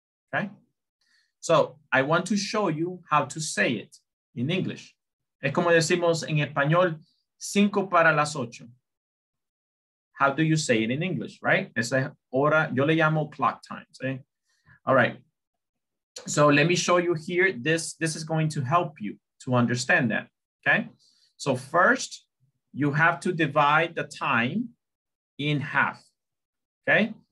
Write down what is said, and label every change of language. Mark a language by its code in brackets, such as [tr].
[en] Okay, so I want to show you how to say it in English. [es] Es como decimos en español, 7:55. [en] How do you say it in English, right? [es] Esa hora, yo le llamo clock time, ¿sí? [en] All right, so let me show you here. This is going to help you to understand that, okay? So first, you have to divide the time in half, okay?